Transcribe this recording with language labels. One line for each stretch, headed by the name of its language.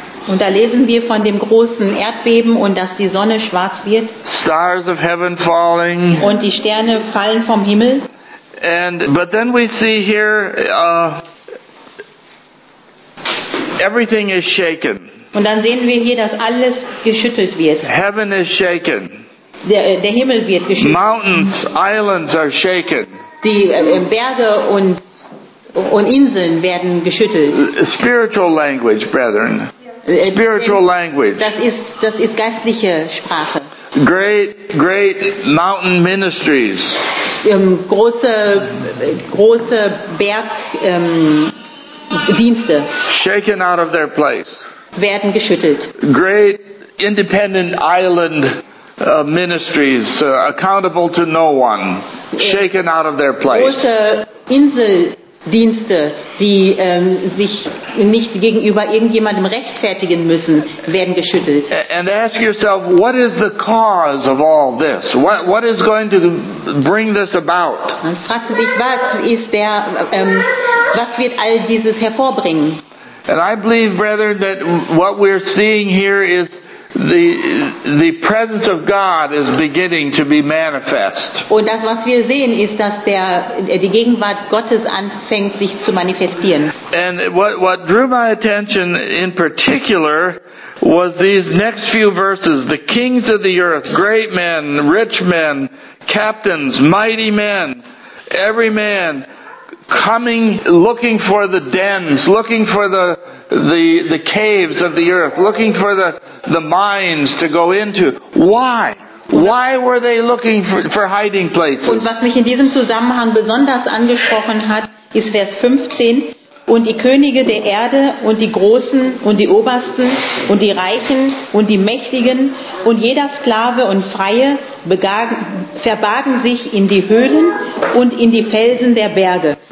German: Und da lesen wir von dem großen Erdbeben und dass die Sonne schwarz wird.
English: Stars of heaven falling.
German: Und die Sterne fallen vom Himmel.
English: But then we see here everything is shaken.
German: Und dann sehen wir hier, dass alles geschüttelt wird.
English: Heaven is shaken.
German: Der Himmel wird geschüttelt.
English: Mountains, islands are shaken.
German: Die Berge und Inseln werden geschüttelt.
English: Spiritual language, brethren. Spiritual language.
German: Das ist geistliche Sprache.
English: Great mountain ministries.
German: Große Bergdienste.
English: Shaken out of their place.
German: Werden geschüttelt.
English: Great independent island ministries, accountable to no one, shaken out of their place.
German: Große Inseldienste, die sich nicht gegenüber irgendjemandem rechtfertigen müssen, werden geschüttelt.
English: And ask yourself, what is the cause of all this? What is going to bring this about?
German: Dann fragst du dich, was wird all dieses hervorbringen?
English: And I believe, brethren, that what we're seeing here is the presence of God is beginning to be manifest.
German: Und das, was wir sehen, ist, dass die Gegenwart Gottes anfängt, sich zu manifestieren.
English: And what drew my attention in particular was these next few verses. The kings of the earth, great men, rich men, captains, mighty men, every man, coming, looking for the dens, looking for the caves of the earth, looking for the mines to go into. Why? Why were they looking for hiding places?
German: Und was mich in diesem Zusammenhang besonders angesprochen hat, ist Vers 15. und die Könige der Erde und die Großen und die Obersten und die Reichen und die Mächtigen und jeder Sklave und Freie verbargen sich in die Höhlen und in die Felsen der Berge.